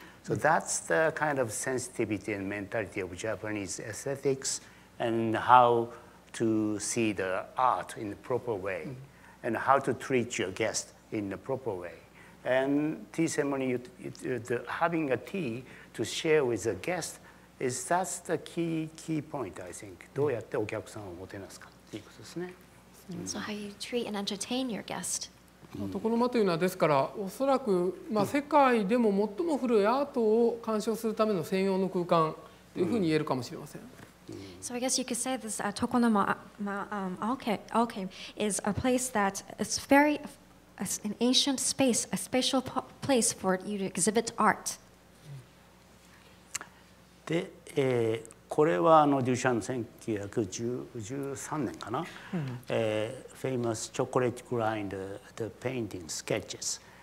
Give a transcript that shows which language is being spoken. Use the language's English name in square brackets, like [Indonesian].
[English] So that's the kind of sensitivity and mentality of Japanese aesthetics and how to see the art in the proper way, mm-hmm. and how to treat your guest in the proper way. And tea ceremony, having a tea to share with a guest, is that's the key point, I think. [Japanese] どうやってお客さんをもてなすかっていうことですね。 [English] So how you treat and entertain your guest. [Japanese] ところまというのはですから、おそらく、まあ、世界でも最も古いアートを鑑賞するための専用の空間というふうに言えるかもしれません。 [English] So I guess you could say this Tokonoma alcove is a place that is very an ancient space, a special place for you to exhibit art. [Japanese] で、これはあのデュシャン1913年かな、 [English] famous chocolate grind the painting sketches.